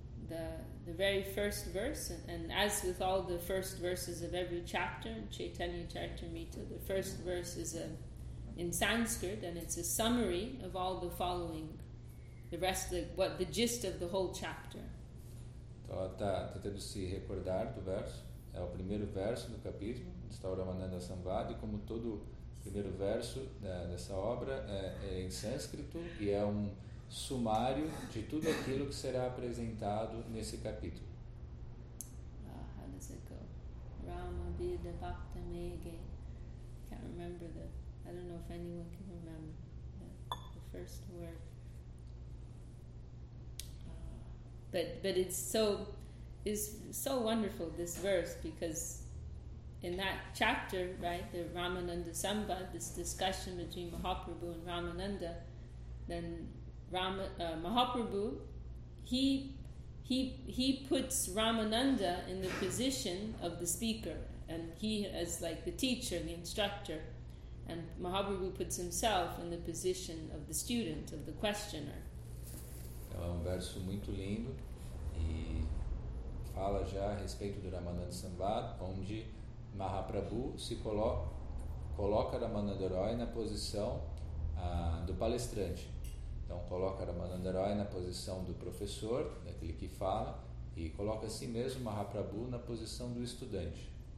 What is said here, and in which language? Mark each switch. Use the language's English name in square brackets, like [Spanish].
[English] It's the very first verse, and as with all the first verses of every chapter in Chaitanya Charitamrita, the first verse is in Sanskrit, and it's a summary of all the following. The gist of the whole chapter. [Portuguese] Então, está tentando se recordar do verso. É o primeiro verso do capítulo. Mm-hmm. Está o Ramananda Sambhad. E como todo primeiro verso dessa obra é em sânscrito e é um sumário de tudo aquilo que será apresentado nesse capítulo. [English] How does it go? Rama Bida Bhakta Mege. Can't remember I don't know if anyone can remember the first word. But it's so wonderful, this verse, because in that chapter, right, the Ramananda Sambha, this discussion between Mahaprabhu and Ramananda, then Mahaprabhu, he puts Ramananda in the position of the speaker, and he as like the teacher, the instructor, and Mahaprabhu puts himself in the position of the student, of the questioner. [Portuguese] É um verso muito lindo. E fala já a respeito do Ramananda Sambhad, onde Mahaprabhu se coloca Ramananda Roy na posição do palestrante. Então coloca Ramananda Roy na posição do professor, daquele que fala, e coloca a si mesmo Mahaprabhu na posição do estudante.